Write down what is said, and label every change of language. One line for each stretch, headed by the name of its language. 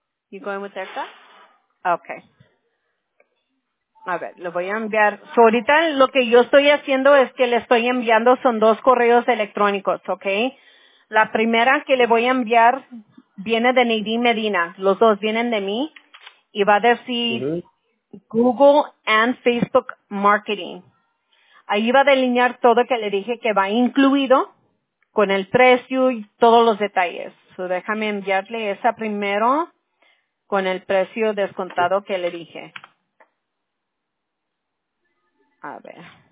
English: You going with Erica? Ok.
Spanish: A ver, lo voy a enviar. So, ahorita lo que yo estoy haciendo es que le estoy enviando son dos correos electrónicos, ¿ok? La primera que le voy a enviar viene de Nadine Medina. Los dos vienen de mí. Y va a decir... Mm-hmm.
English: Google and Facebook Marketing.
Spanish: Ahí va a delinear todo que le dije que va incluido con el precio y todos los detalles. So déjame enviarle esa primero con el precio descontado que le dije. A ver.